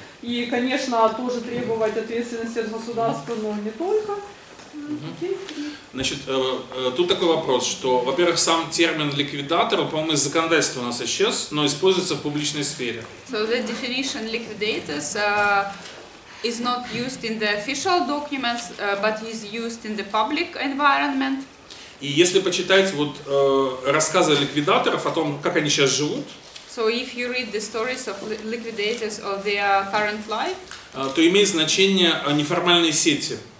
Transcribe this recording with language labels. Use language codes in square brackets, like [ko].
[ru] И, конечно, тоже требовать ответственности от государства, но не только. Угу. Значит, тут такой вопрос, что, во-первых, сам термин ликвидатор, по-моему, из законодательства у нас исчез, но используется в публичной сфере. [en] So the definition liquidators is not used in the official documents, but is used in the public environment. [ru] И если почитать вот рассказы ликвидаторов о том, как они сейчас живут, [en] so if you read the stories of liquidators of their current life, [ru] то имеет значение неформальные сети.